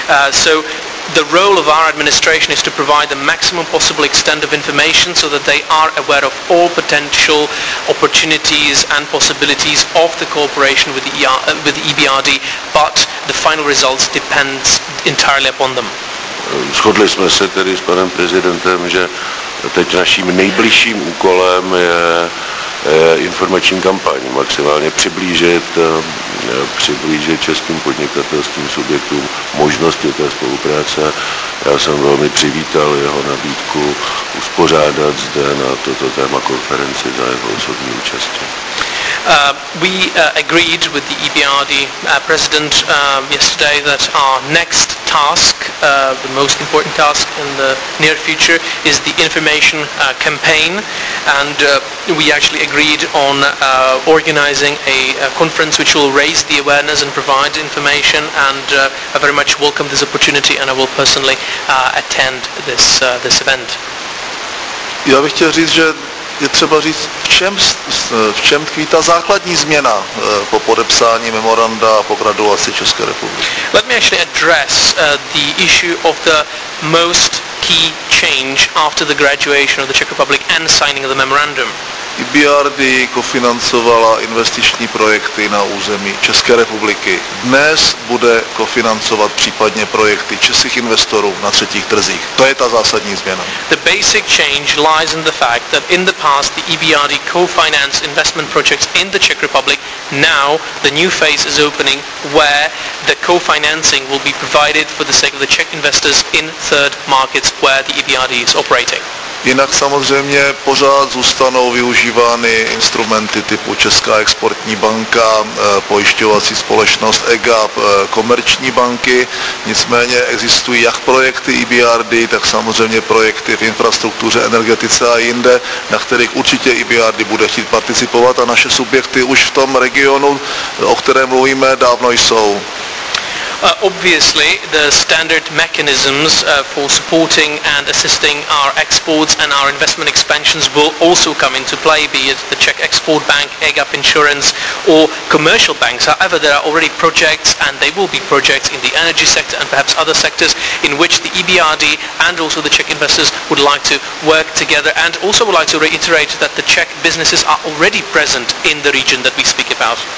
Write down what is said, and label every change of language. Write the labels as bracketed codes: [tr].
[en] So the role of our administration is to provide the maximum possible extent of information so that they are aware of all potential opportunities and possibilities of the cooperation with the EBRD, but the final results depends entirely upon them. [cs] Shodli jsme se tedy s panem prezidentem, že teď naším nejbližším úkolem je informační kampaň, maximálně přiblížit českým podnikatelským subjektům možnosti té spolupráce. Já jsem velmi přivítal jeho nabídku uspořádat zde na toto téma konferenci za jeho osobní účasti. [en] We agreed with the EBRD president yesterday that our next task, the most important task in the near future, is the information campaign, and we actually agreed on organizing a conference which will raise the awareness and provide information, and I very much welcome this opportunity and I will personally attend this event. [cs] Já bych chtěl říct, že je třeba říct, v čem tkví ta základní změna po podepsání memoranda a po graduaci České republiky. [en] Let me actually address the issue of the most key change after the graduation of the Czech Republic and signing of the memorandum. [cs] EBRD kofinancovala investiční projekty na území České republiky. Dnes bude kofinancovat případně projekty českých investorů na třetích trzích. To je ta zásadní změna. [en] The basic change lies in the fact that in the past the EBRD co-financed investment projects in the Czech Republic. Now the new phase is opening where the co-financing will be provided for the sake of the Czech investors in third markets where the EBRD is operating. [cs] Jinak samozřejmě pořád zůstanou využívány instrumenty typu Česká exportní banka, pojišťovací společnost EGAP, komerční banky, nicméně existují jak projekty EBRD, tak samozřejmě projekty v infrastruktuře, energetice a jinde, na kterých určitě EBRD bude chtít participovat a naše subjekty už v tom regionu, o kterém mluvíme, dávno jsou. [en] Obviously, the standard mechanisms for supporting and assisting our exports and our investment expansions will also come into play, be it the Czech Export Bank, EGAP Insurance, or commercial banks. However, there are already projects, and they will be projects in the energy sector and perhaps other sectors, in which the EBRD and also the Czech investors would like to work together, and also would like to reiterate that the Czech businesses are already present in the region that we speak about.